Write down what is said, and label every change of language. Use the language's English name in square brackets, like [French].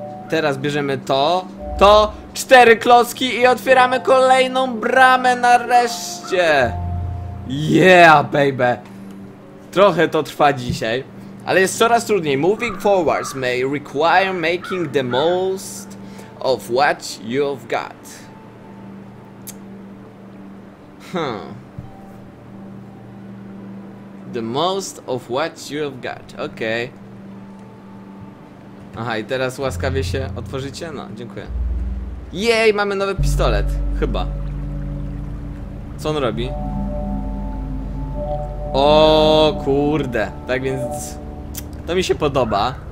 [Polish] Teraz bierzemy to. To 4 klocki i otwieramy kolejną bramę nareszcie. [English] Yeah, baby. [Polish] Trochę to trwa dzisiaj. Ale jest coraz trudniej. [English] Moving forwards may require making the most of what you've got. The most of what you've got. Okay. [Polish] Aha, i teraz łaskawie się otworzycie? No, dziękuję. Jej, mamy nowy pistolet. Chyba. Co on robi? O kurde. Tak więc... to mi się podoba.